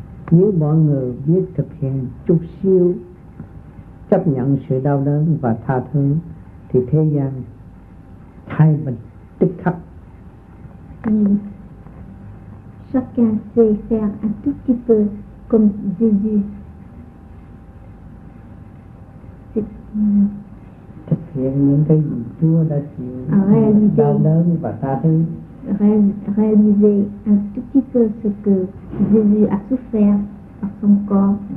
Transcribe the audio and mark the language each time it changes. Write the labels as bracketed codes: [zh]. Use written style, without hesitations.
[vi] Nếu mọi người biết thực hiện chút xíu, chấp nhận sự đau đớn và tha thứ, thì thế gian thay mình tích khắc. [fr] Chacun sait faire un tout petit peu comme Jésus. [vi] Thực hiện những cái gì Chúa đã chịu đau đớn và tha thứ. [fr] Réaliser un tout petit peu ce que Jésus a souffert par son corps